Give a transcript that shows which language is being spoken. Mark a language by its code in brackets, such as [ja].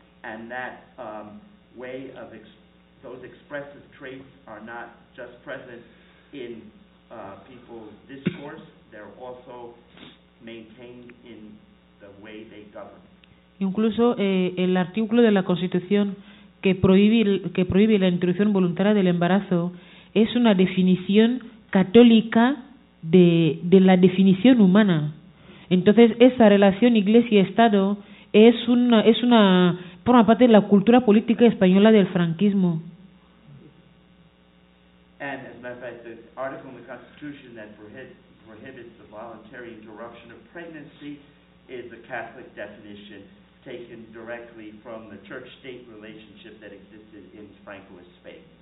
[en] And that way of those expressive traits are not just present in people's discourse, they're also maintained in the way they govern. [es] Incluso el artículo de la Constitución que prohíbe la interrupción voluntaria del embarazo es una definición católica de la definición humana. Entonces esa relación Iglesia-Estado es una forma parte de la cultura política española del franquismo. [en] And as a matter of fact, the article in the Constitution that prohibits the voluntary interruption of pregnancy is a Catholic definition taken directly from the church-state relationship that existed in Francoist Spain.